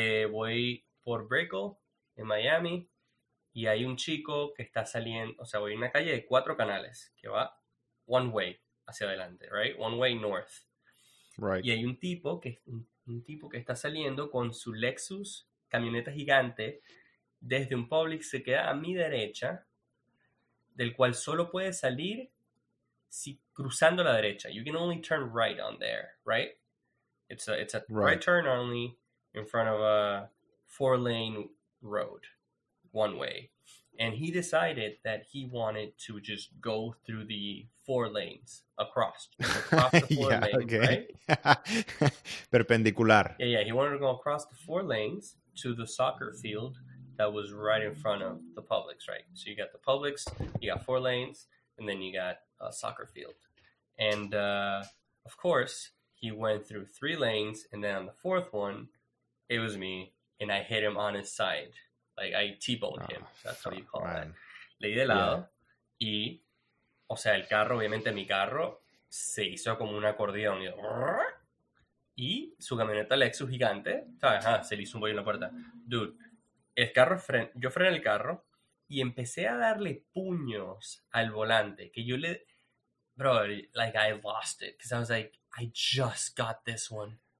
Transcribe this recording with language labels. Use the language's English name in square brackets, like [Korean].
[Spanish] Voy por Brickell, en Miami. Y hay un chico que está saliendo, o sea, voy en una calle de 4 canales, que va one way hacia adelante, right? [English] One way north. Right. [Spanish] Y hay un tipo que está saliendo con su Lexus, camioneta gigante, desde un Publix que queda a mi derecha, del cual solo puede salir si cruzando la derecha. [English] You can only turn right on there, right? It's a right turn only in front of a 4-lane road, one way. And he decided that he wanted to just go through the 4 lanes across the 4 lanes, right? Perpendicular. Yeah, he wanted to go across the 4 lanes to the soccer field that was right in front of the Publix, right? So you got the Publix, you got 4 lanes, and then you got a soccer field. And, of course, he went through 3 lanes, and then on the 4th one, it was me, and I hit him on his side. Like, I T-boned him. That's how you call that. [Spanish] Le di de lado. [English] Yeah. [Spanish] Y, o sea, el carro, obviamente mi carro, se hizo como un acordeón. Y su camioneta Lexus gigante, se le hizo un bollo en la puerta. Dude, yo frené el carro y empecé a darle puños al volante. Que yo le... [English] Bro, like, I lost it. Because I was like, I just got this one.